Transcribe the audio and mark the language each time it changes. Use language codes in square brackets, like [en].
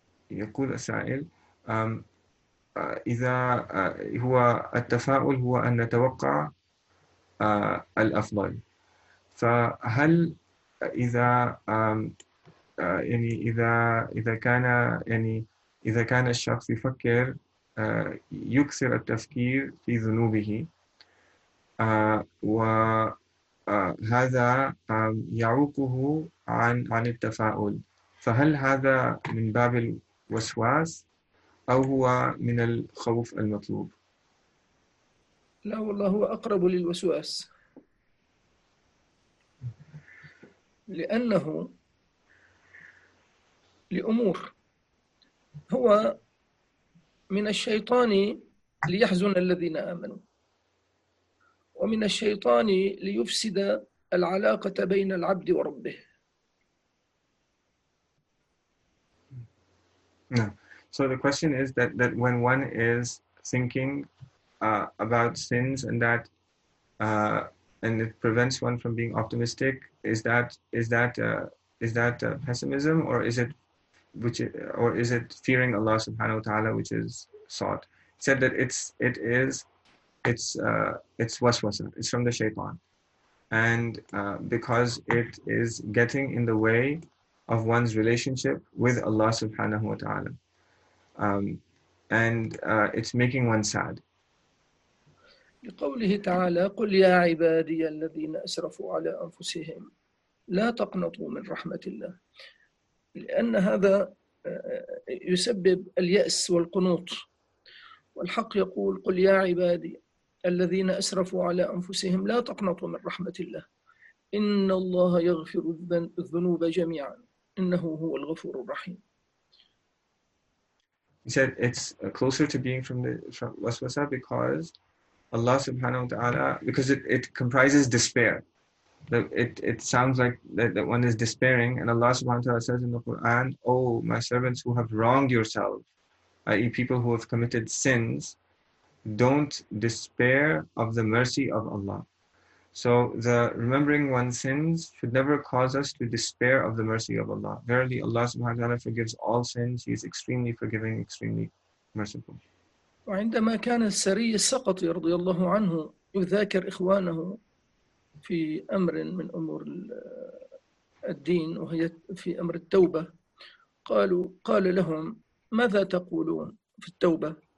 [ar] يقول السائل إذا هو التفاؤل هو أن نتوقع الأفضل فهل إذا يعني إذا كان يعني إذا كان الشخص يفكر يكثر التفكير في ذنوبه وهذا يعوقه عن التفاؤل فهل هذا من باب الوسواس أو هو من الخوف المطلوب؟ لا والله هو أقرب للوسواس لأنه لأمور هو من الشيطان ليحزن الذين آمنوا ومن الشيطان ليفسد العلاقة بين العبد وربه [en] نعم So the question is that when one is thinking about sins and that and it prevents one from being optimistic, is that pessimism or is it fearing Allah Subhanahu wa Taala which is sought? He said that it's waswasa. It's from the shaitan, and because it is getting in the way of one's relationship with Allah Subhanahu wa Taala. And it's making one sad. [ar] لقوله تعالى قل يا عبادي الذين أسرفوا على أنفسهم لا تقنطوا من رحمة الله لأن هذا يسبب اليأس والقنوط والحق يقول قل يا عبادي الذين أسرفوا على أنفسهم لا تقنطوا من رحمة الله إن الله يغفر الذنوب جميعا إنه هو الغفور الرحيم [en] He said it's closer to being from waswasa because Allah subhanahu wa ta'ala, because it comprises despair. It sounds like that one is despairing and Allah subhanahu wa ta'ala says in the Quran, Oh, my servants who have wronged yourself, i.e. people who have committed sins, don't despair of the mercy of Allah. So the remembering one's sins should never cause us to despair of the mercy of Allah. Verily, Allah subhanahu wa ta'ala forgives all sins. He is extremely forgiving, extremely merciful. [ar] وعندما كان السري السقطي رضي الله عنه يذاكر إخوانه في أمر من أمور الدين وهي في أمر التوبة قال لهم ماذا تقولون في التوبة